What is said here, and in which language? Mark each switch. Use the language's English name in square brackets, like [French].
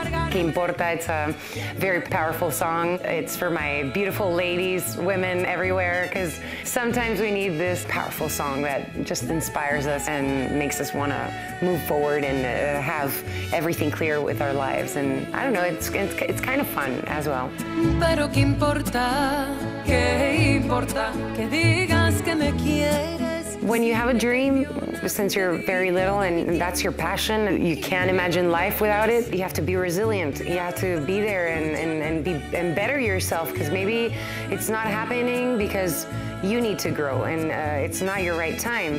[Spanish] Que importa, [English] it's a very powerful song. It's for my beautiful ladies, women everywhere, because sometimes we need this powerful song that just inspires us and makes us want to move forward and have everything clear with our lives. And I don't know, it's kind of fun as well. [Spanish] Pero que importa, que digas que me quieres. [English] When you have a dream, since you're very little and that's your passion, you can't imagine life without it. You have to be resilient. You have to be there and better yourself, because maybe it's not happening because you need to grow, and it's not your right time.